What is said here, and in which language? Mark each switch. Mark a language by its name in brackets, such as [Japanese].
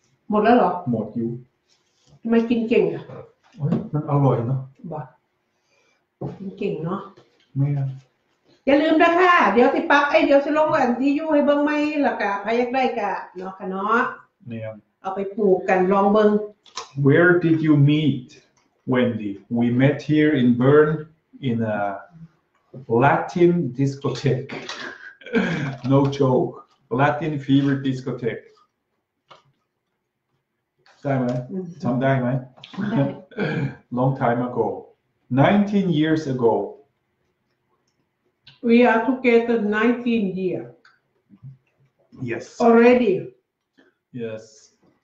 [Thai] หมดแล้วหรอ หมดอยู่ทำไมกินเก่งอ่ะ โอ้ยมันอร่อยเนาะ บ้ากินเก่งเนาะ ไม่นะ อย่าลืมนะคะเดี๋ยวสิปั๊บเอ้ยเดี๋ยวสิลงกันที่ยูให้เบิ้งไหมล่ะกะใครอยากได้กะเนาะกะเนาะ เนี่ย เอาไปปลูกกันลองเบิ้ง [English] Where did you meet Wendy We met here in Bern in a Latin discotheque No jokeLatin Fever Discotheque. [Thai] ได้ไหม ทำได้ไหม [English] Long time ago. 19 years ago. We are together 19 years. Yes. Already. Yes.